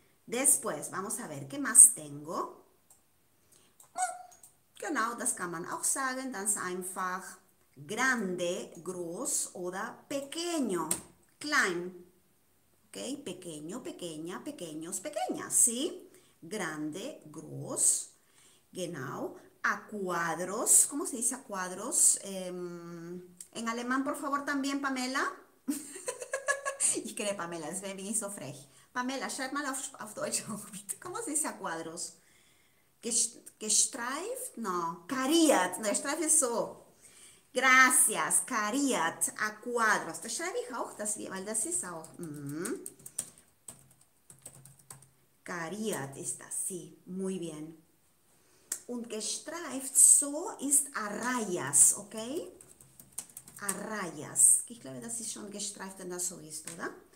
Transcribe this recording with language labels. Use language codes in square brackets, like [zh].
[es] Después, vamos a ver qué más tengo. [de] Genau, das kann man auch sagen, ganz einfach. Grande, groß oder pequeño, klein. [es] Okay, pequeño, pequeña, pequeños, pequeñas, sí. Grande, groß, genau. A cuadros, ¿cómo se dice a cuadros? En alemán, por favor, también, Pamela. [de] Ich kenne Pamela, deswegen bin ich so frech. Pamela, schreib mal auf Deutsch auch, bitte. [es] ¿Cómo se dice a cuadros? Gestreift? [de] No, kariert. No, streif ist so. [es] Gracias, kariert, a cuadros. [de] Das schreibe ich auch, weil das ist auch. Kariert ist das, [es] sí, muy bien. [de] Und gestreift, so ist arrayas, okay? Arrayas. Ich glaube, das ist schon gestreift, wenn das so ist, oder?